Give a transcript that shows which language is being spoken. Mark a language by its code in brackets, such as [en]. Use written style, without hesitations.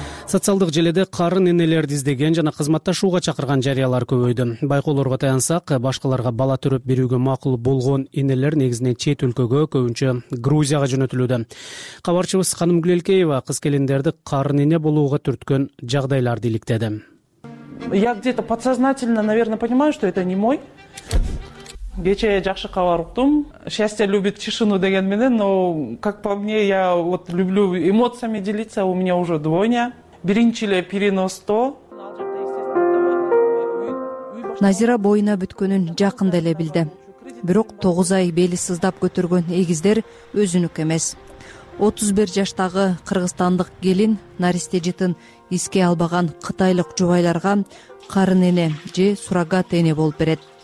[ky] Социалдык желеде карын энелерди издеген жана кызматташууга чакырган жарыялар көбөйдү. Байкоолорго таянсак, башкаларга бала төрөп берүүгө макул болгон энелер негизинен чет өлкөгө, көбүнчө Грузияга жөнөтүлүүдө. Кабарчыбыз Ханым Гүлелкеева кыз келиндерди карын эне болууга түрткөн жагдайларды иликтеди. [ru] Я где-то подсознательно, наверное, понимаю, что это не мой. [ky] Кече жакшы кабар уктум. [ru] Счастье любит тишину [ky] деген менен, [ru] но как по мне, я вот люблю эмоциями делиться, у меня уже двойня. [ky] Биринчи эле переносто. Назира боюна бүткөнүн жакында эле билди. Бирок 9 ай бели сыздап көтөргөн эгиздер өзүнүк эмес. 31 жаштагы кыргызстандык келин наристе жетин иске албаган кытайлык жубайларга карын эне же суррогат эне болуп берет.